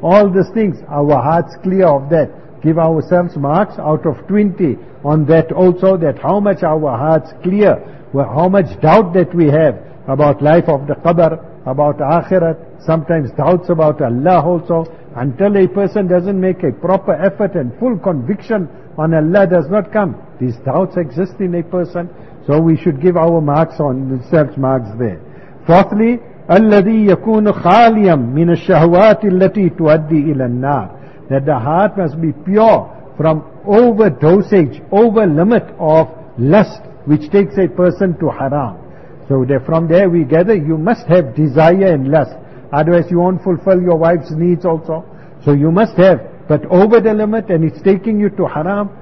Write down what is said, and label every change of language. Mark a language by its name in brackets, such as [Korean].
[English] All these things, our hearts clear of that. Give ourselves marks out of 20 on that also, that how much our hearts clear, how much doubt that we have about life of the qabr, about akhirat, sometimes doubts about Allah also. Until a person doesn't make a proper effort and full conviction on Allah does not come, these doubts exist in a person. So we should give our marks on ourselves marks there. [Arabic] Fourthly, الذي يكون خاليا من الشهوات التي تؤدي إلى النار. [English] That the heart must be pure from overdosage, over limit of lust, which takes a person to haram. So from there we gather, you must have desire and lust. Otherwise you won't fulfill your wife's needs also. So you must have, but over the limit, and it's taking you to haram.